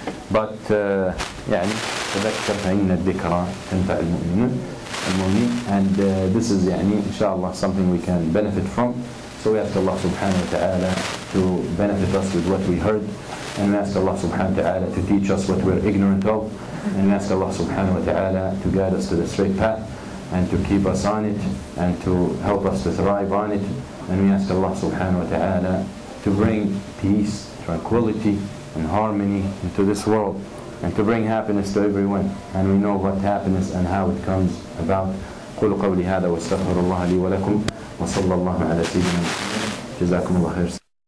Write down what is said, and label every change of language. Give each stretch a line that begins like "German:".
English: But,
Arabic: yani, تذكر فإن الذكرى تنفع المؤمنين المؤمنين.
English: And this is
Arabic: يعني إن شاء الله
English: something we can benefit from. So we ask Allah subhanahu wa ta'ala to benefit us with what we heard, and we ask Allah subhanahu wa ta'ala to teach us what we're ignorant of, and we ask Allah subhanahu wa ta'ala to guide us to the straight path and to keep us on it and to help us to thrive on it. And we ask Allah subhanahu wa ta'ala to bring peace, tranquility and harmony into this world, and to bring happiness to everyone. And we know what happiness and how it comes about.
Arabic: قولوا قولي هذا واستغفر الله لي ولكم وصلى الله على سيدنا. جزاكم الله خير.